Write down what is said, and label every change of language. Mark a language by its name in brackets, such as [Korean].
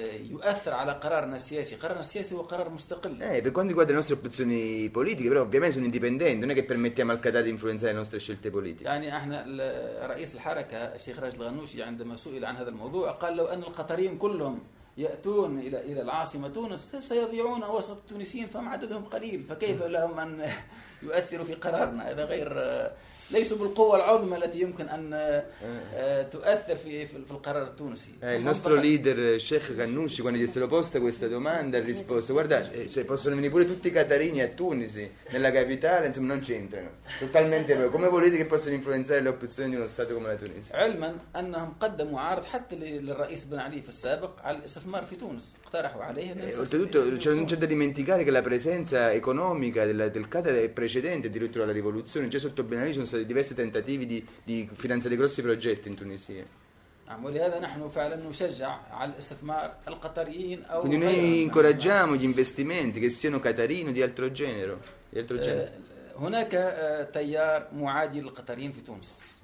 [Arabic] يؤثر على قرارنا السياسي. قرارنا السياسي هو قرار مستقل. [Italian] Hey, per quanto riguarda le nostre opzioni politiche, però ovviamente sono indipendenti, non è che permettiamo al Qatar di influenzare le nostre scelte politiche. [Arabic] يعني احنا رئيس الحركة الشيخ راشد الغنوشي عندما سئل عن هذا الموضوع قال لو أن القطريين كلهم يأتون إلى العاصمة تونس سيضيعون وسط التونسيين فهم عددهم قليل فكيف لهم أن يؤثروا في قرارنا إذا غير ليسوا بالقوة العظمى التي يمكن أن تؤثر في القرار التونسي. [Italian] Il nostro leader Sheikh Ghannouchi quando gli è stato posta questa domanda ha risposto guarda cioè possono venire pure tutti i catarini a Tunisi nella capitale insomma non c'entrano totalmente come volete che possono influenzare le opzioni di uno stato come la Tunisia. [Arabic] علما أنهم قدموا عرض حتى للرئيس بن علي في السابق على الاستثمار في تونس اقترحوا عليه. [Italian] Oltretutto non c'è da dimenticare che la presenza economica del Qatar è precedente addirittura alla rivoluzione. Già sotto Ben Ali sono stati diversi tentativi di finanziare grossi progetti in Tunisia. Quindi noi incoraggiamo gli investimenti che siano qatarini o di altro genere. [Arabic] هناك تيار معادي للقطريين في تونس.